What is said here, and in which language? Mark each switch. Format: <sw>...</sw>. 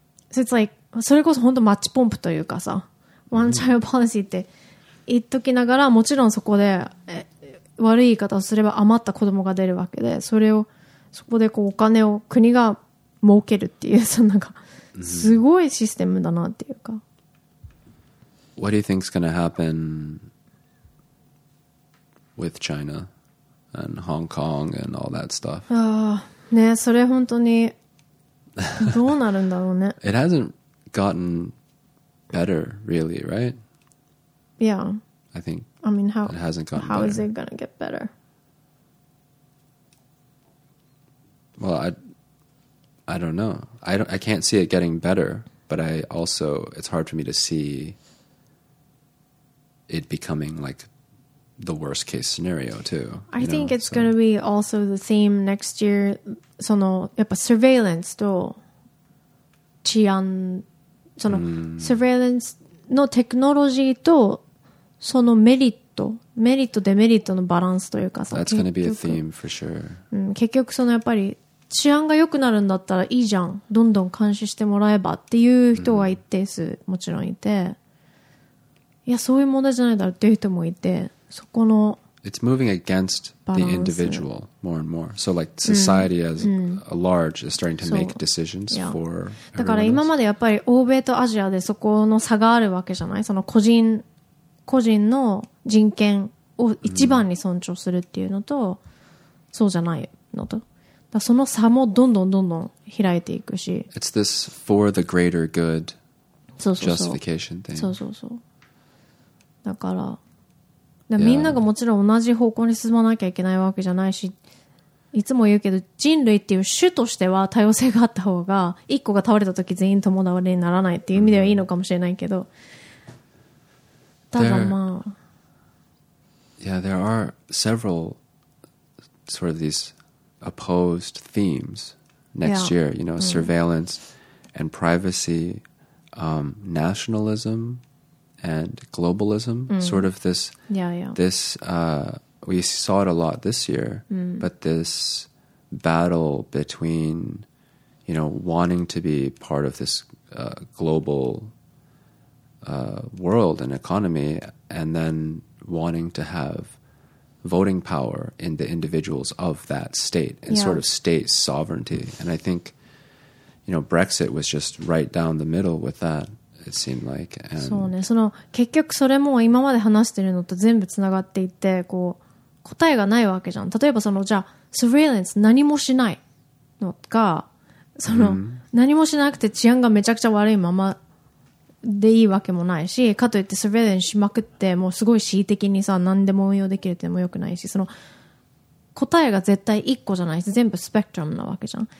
<en>so it's like</en> <ja>それこそ本当マッチポンプというかさ</ja> <en>one child policy</en> <ja>って言っときながらもちろんそこで悪い言い方をすれば余った子供が出るわけでそれをそこでこうお金を国が儲けるっていうそのなんかすごいシステムだなっていうか、 mm-hmm.</ja> <en>What do you think is going to happen with China and Hong Kong and all that stuff?</en> <ja>ねそれ本当にどうなるんだろうね</ja> <en>It hasn't gotten better really, right? Yeah I think I mean, how, it hasn't gotten how better How is it going to get better? Well, I don't know. I can't see it getting better, but I also it's hard for me to see it becoming like the worst case scenario too. I think it's going to be also the same next year. So no,</en> <ja>やっぱ surveillance と治安その surveillance のテクノロジーとそのメリットデメリットのバランスというかさ。</ja> <en>That's going to be a theme for sure.</en> <ja>結局そのやっぱり治安が良くなるんだったらいいじゃん。どんどん監視してもらえばっていう人が一定数もちろんいて、いやそういう問題じゃないだろうっていう人もいて、そこの</ja> <en>It's moving against the individual more and more. So like society as a large is starting to make decisions for.</en> <ja>だから今までやっぱり欧米とアジアでそこの差があるわけじゃない。その個人の人権を一番に尊重するっていうのと、そうじゃないのと。その差もどんどんどんどん開いていくし</ja> <en>It's this for the greater good justification thing</en> <ja>そうだからみんながもちろん同じ方向に進まなきゃいけないわけじゃないしいつも言うけど人類っていう種としては多様性があった方が一個が倒れた時全員共倒れにならないっていう意味ではいいのかもしれないけど、ただまあ</ja> <en>Yeah, there are several sort of theseopposed themes next year, you know, surveillance and privacy, nationalism and globalism, sort of this, this, we saw it a lot this year, but this battle between, you know, wanting to be part of this global world and economy and then wanting to haveVoting power in the individuals of that state and sort of state sovereignty. And I think, you know, Brexit was just right down the middle with that, it seemed like. And</en> <ja>そうね。その、結局それも今まで話してるのと全部つながっていて、こう、答えがないわけじゃん。例えばその、じゃあ、surveillance 何もしないのか、その、何もしなくて治安がめちゃくちゃ悪いままでいいわけもないし、かといってスウェーデンしまくってもうすごい恣意的にさ何でも運用できるってもよくないし、その答えが絶対一個じゃないし、全部スペクトラムなわけじゃん。</ja>